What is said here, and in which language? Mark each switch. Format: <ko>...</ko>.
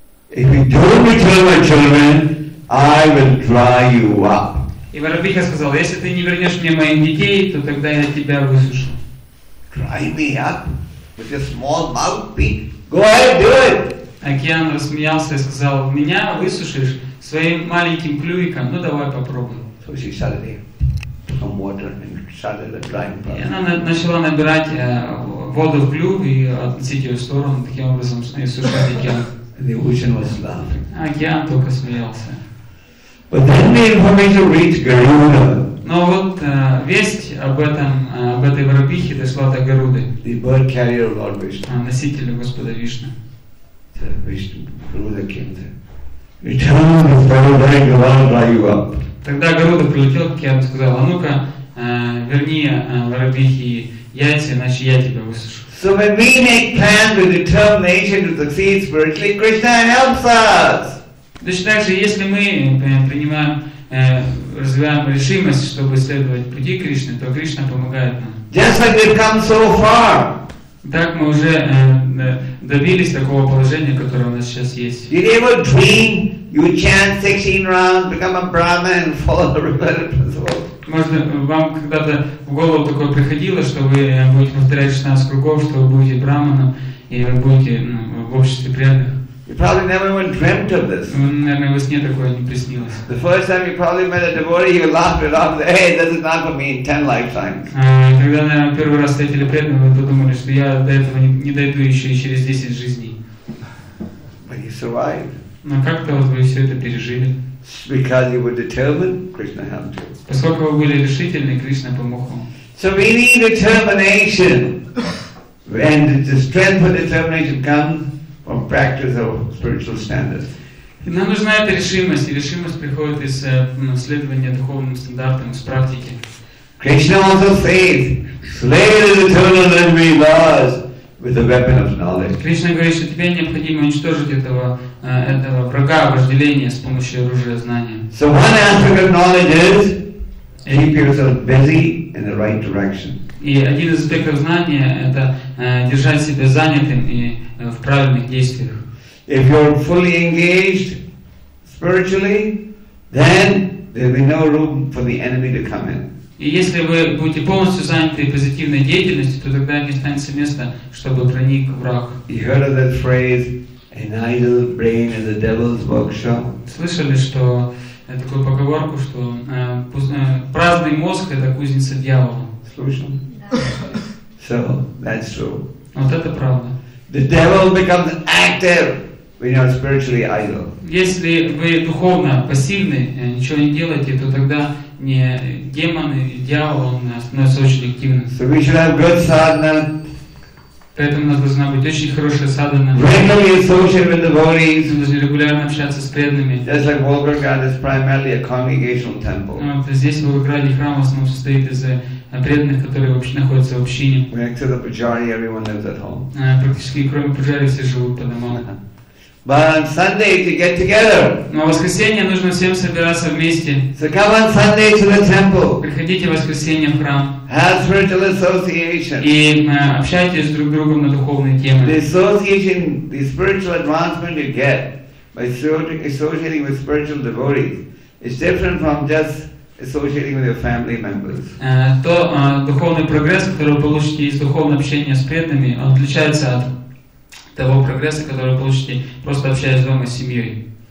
<en>If you don't return my children, I will dry you up.</en> <ru>И воробьиха сказал, "Если ты не вернешь мне моих детей, то тогда я тебя высушу."</ru> <en>Dry me up with your small mouth, beak. Go ahead, do it.</en> <ru>Океан рассмеялся и сказал, меня высушишь своим маленьким клювиком, ну давай попробуем.</ru> <en>So she started taking some water and started the drying process.</en> <ru>И она начала набирать воду в клюв и относить ее в сторону, таким образом сушить океан.</ru> <en>And the ocean was laughing.</en> <ru>Океан только смеялся.</ru> <en>But then the information reached Garuda.</en> <ru>Но вот весть об этом, об этой воробьихе дошла до Гаруды,</ru> <en>the bird carrier of Lord Vishnu.</en> <ru>Носителю Господа Вишны.</ru> <en>So Vishnu, Garuda came there. Return the sparrow back, the Lord will dry you up.</en> <ru>Тогда Гаруда прилетел к океану и сказал, а ну-ка, верни воробьихе яйца, иначе я тебя высушу.</ru> <en>So when we make plans with determination to succeed spiritually, Krishna helps us.</en> <ru>Точно так же, если мы принимаем, развиваем решимость, чтобы следовать пути Кришны, то Кришна помогает нам.</ru> <en>Just like we've come so far.</en> <ru>Так мы уже добились такого положения, которое у нас сейчас есть.</ru> <en>You never dream, you chant 16 rounds, become a Brahmin and follow the repetitive principle.</en> <ru>Можно, вам когда-то в голову такое приходило, что вы будете повторять 16 кругов, что вы будете Брахманом и вы будете в обществе преданных.</ru> <en>You probably never even dreamt of this.</en> <ru>Наверное, во сне такое не приснилось.</ru> <en>The first time you probably met a devotee, you laughed it off. Hey, this is not for me. 10 lifetimes.</en> <ru>Когда, наверное, первый раз встретили преданного, вы подумали, что я до этого не дойду еще и через 10 жизней.</ru> <en>But you survived.</en> <ru>Но как-то вот вы все это пережили.</ru> <en>Because you were determined, Krishna helped you.</en> <ru>Поскольку вы были решительны, Кришна помог вам.</ru> <en>So we need determination. And the strength for determination comes from practice of spiritual standards.</en> <ru>Нам нужна эта решимость, и решимость приходит из следования духовным стандартам, из практики.</ru> <en>Krishna also says, "Slay the eternal enemy, Lord, with the weapon of knowledge."</en> <ru>Кришна говорит, что тебе необходимо уничтожить этого врага вожделения с помощью оружия знания.</ru> <en>So one aspect of knowledge is keep yourself busy in the right direction.</en> <ru>И один из аспектов знания это держать себя занятым и в правильных действиях.</ru> <en>If you're fully engaged spiritually, then there will be no room for the enemy to come in.</en> <ru>И если вы будете полностью заняты позитивной деятельностью, то тогда не останется места, чтобы проник враг.</ru> <en>You heard of that phrase, an idle brain is the devil's workshop?</en> <ru>Слышали, что такую поговорку, что праздный мозг это кузница дьявола? Слышал?</ru> <en>So that's true.</en> <ru>Вот это правда.</ru> <en>The devil becomes active when you are spiritually idle.</en> <ru>Если вы духовно пассивны, ничего не делаете, то тогда не демоны, дьявол, он становится очень активным.</ru> <en>So we should have good sadhana.</en> <ru>Поэтому у нас должна быть очень хорошая садхана.</ru> <en>Regularly associate with devotees.</en> <ru>Мы должны регулярно общаться с преданными.</ru> <en>Just like Volgograd is primarily a congregational temple.</en> <ru>Здесь в Волгограде храм в основном состоит из преданных, которые вообще находятся в общине.</ru> <en>Next to the Pujari, everyone lives at home.</en> <ru>Практически кроме Пуджари все живут по домам.</ru> <en>But on Sunday to get together.</en> <ru>На воскресенье нужно всем собираться вместе.</ru> <en>So come on Sunday to the temple.</en> <ru>Приходите в воскресенье в храм.</ru> <en>Have spiritual association.</en> <ru>И общайтесь друг с другом на духовные темы.</ru> <en>The association, the spiritual advancement you get by associating with spiritual devotees is different from just associating with your family members.</en> <ru>То духовный прогресс, который вы получите из духовного общения с преданными, он отличается от того прогресса, который вы получите, просто общаясь дома с семьей.</ru>